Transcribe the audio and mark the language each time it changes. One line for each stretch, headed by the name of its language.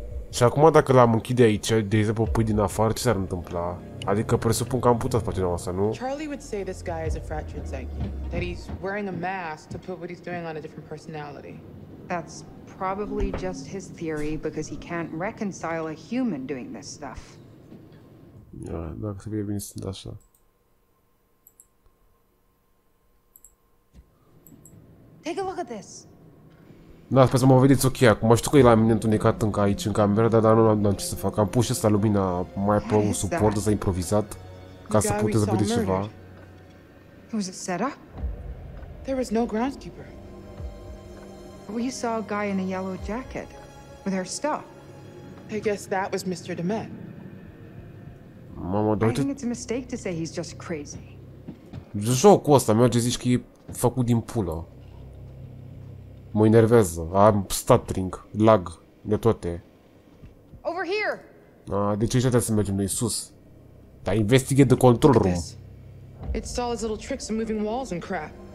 Romanian: Și acum dacă l-am închide aici, de exemplu, pui din afară, ce s-ar întâmpla? Adică presupun că am putea face treaba asta, nu?
English: Charlie would say this guy is a fractured psyche. That he's wearing a mask to put what he's doing on a different personality. That's probably just his theory because he can't reconcile a human doing this stuff.
Romanian: Ia, dacă se vede bine, sunt așa.
English: Take a look at this.
Romanian: Da, sper să mă vedeți ok. Acum știu că e la mine întunecat încă aici, în cameră, dar nu am ce să fac. Am pus asta lumina mai pe un suport ăsta improvizat ca să puteți să vedeți ceva.
English: It was a setup? There was no groundskeeper. But we saw a guy in a yellow jacket with her stuff. I guess that was Mr. Demet.
Romanian: Mama,
English: I think it's a mistake to say he's just crazy.
Romanian: Jocul ăsta, merge, zici că e făcut din pulă. Mă enervează. Am stuttering, lag, de toate.
English: Over here.
Romanian: Ah, de ce trebuie să mergem noi sus?
English: Dar investigate the control room. It's all his little tricks of moving walls and crap.